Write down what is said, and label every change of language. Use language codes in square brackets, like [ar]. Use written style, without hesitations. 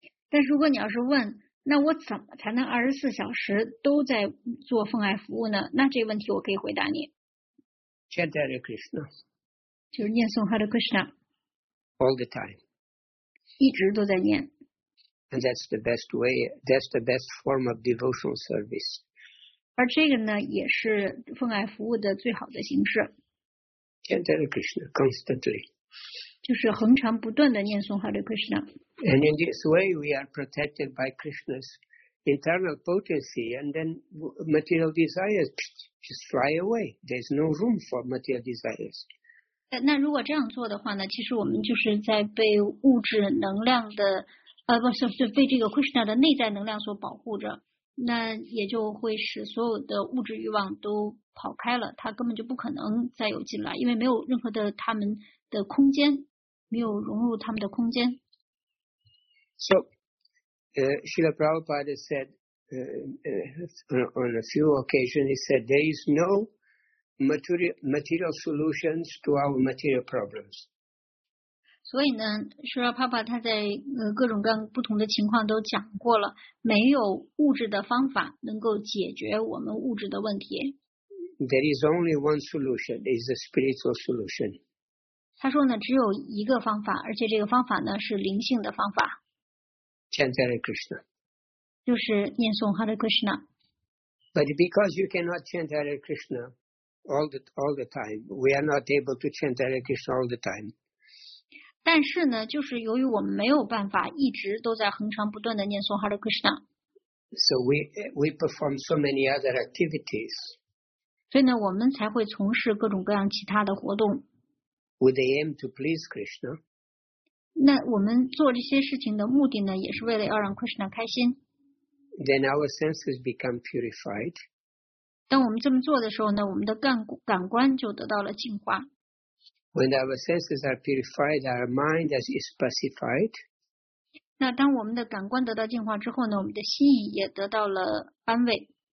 [zh] 但如果你要是问，那我怎么才能24小时都在做奉爱服务呢？那这问题我可以回答你。 [en] Chant Hare Krishna. [zh] 就是念诵 Hare Krishna. [en] All the time. [zh] 一直都在念。 [en] And that's the best way, that's the best form of devotional service. [zh] 而这个呢，也是奉爱服务的最好的形式。 [en] Chant Hare Krishna constantly. [zh] 就是恒常不断的念诵 Hare Krishna. [en] And in this way, we are protected by Krishna's internal potency, and then material desires just fly away. There's no room for material desires. [zh] 那如果这样做的话呢，其实我们就是在被物质能量的是被这个 Krishna 的内在能量所保护着，那也就会使所有的物质欲望都跑开了，它根本就不可能再有进来，因为没有任何的他们的空间，没有融入他们的空间。 [en] So, Srila Prabhupada said, on a few occasions, he said, there is no material solutions to our material problems. [zh] 所以呢，舒拉帕帕他在各种各样不同的情况都讲过了，没有物质的方法能够解决我们物质的问题。 [en] There is only one solution, is a spiritual solution. [zh] 他说呢，只有一个方法，而且这个方法呢是灵性的方法。 [en] Chant Hare Krishna. [zh] 就是念诵 Hare Krishna. [en] But because you cannot chant Hare Krishna all the time, we are not able to chant Hare Krishna all the time. [zh] 但是呢，就是由于我们没有办法一直都在恒常不断的念诵 Hare Krishna， [en] so we perform so many other activities， [zh] 所以呢，我们才会从事各种各样其他的活动 [en] ，with the aim to please Krishna， [zh] 那我们做这些事情的目的呢，也是为了要让 Krishna 开心。 [en] Then our senses become purified. [zh] 当我们这么做的时候呢，我们的感官就得到了净化。 [en] When our senses are purified, our mind is pacified. [zh] 那当我们的感官得到净化之后呢，我们的心意也得到了安慰。